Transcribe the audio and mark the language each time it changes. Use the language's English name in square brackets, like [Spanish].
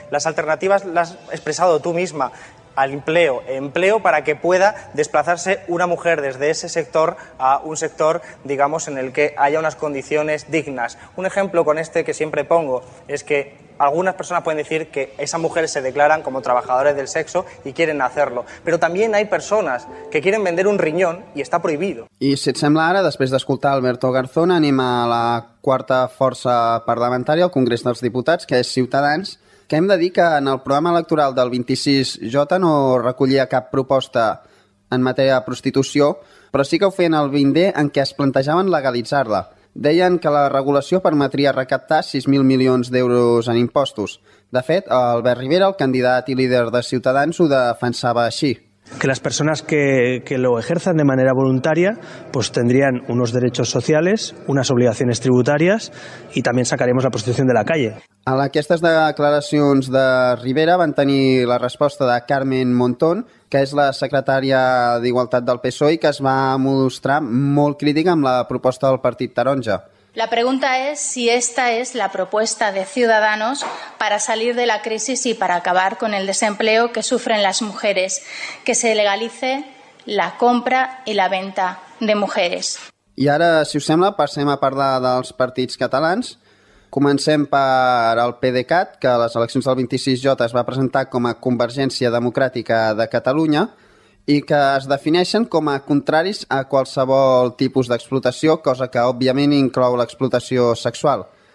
[Spanish] Las alternativas las has expresado tú misma. Al empleo, empleo para que pueda desplazarse una mujer desde ese sector a un sector, digamos, en el que haya unas condiciones dignas. Un ejemplo con este que siempre pongo es que algunas personas pueden decir que esas mujeres se declaran como trabajadores del sexo y quieren hacerlo, pero también hay personas que quieren vender un riñón y está prohibido. [Catalan] I si et sembla, ara, després d'escoltar Alberto Garzón, anem a la quarta força parlamentària, el Congrés dels Diputats, que és Ciutadans. Que hem de dir que en el programa electoral del 26J no recollia cap proposta en matèria de prostitució, però sí que ho feien el 20D en què es plantejaven legalitzar-la. Deien que la regulació permetria recaptar 6.000 milions d'euros en impostos. De fet, Albert Rivera, el candidat i líder de Ciutadans, ho defensava així. [Spanish] Que las personas que lo ejerzan de manera voluntaria pues tendrían unos derechos sociales, unas obligaciones tributarias y también sacaremos la prostitución de la calle. [Catalan] A aquestes declaracions de Rivera van tenir la resposta de Carmen Montón, que és la secretària d'Igualtat del PSOE i que es va mostrar molt crítica amb la proposta del Partit Taronja. [Spanish] La pregunta es si esta es la propuesta de Ciudadanos para salir de la crisis y para acabar con el desempleo que sufren las mujeres, que se legalice la compra y la venta de mujeres. [Catalan] I ara, si us sembla, passem a parlar dels partits catalans. Comencem per el PDeCAT, que a les eleccions del 26J es va presentar com a Convergència Democràtica de Catalunya i que es defineixen com a contraris a qualsevol tipus d'explotació, cosa que òbviament inclou l'explotació sexual.